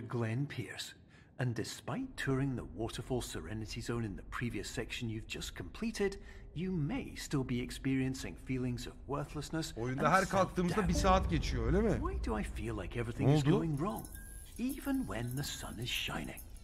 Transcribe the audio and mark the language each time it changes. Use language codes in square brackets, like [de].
[en] Glenn Pierce, and despite touring the Waterfall Serenity Zone in the previous section you've just completed, you may still be experiencing feelings of worthlessness. [tr] Oyunda her kalktığımızda bir saat geçiyor, öyle mi? [en] Why do I feel like everything is going wrong, even when the sun is shining?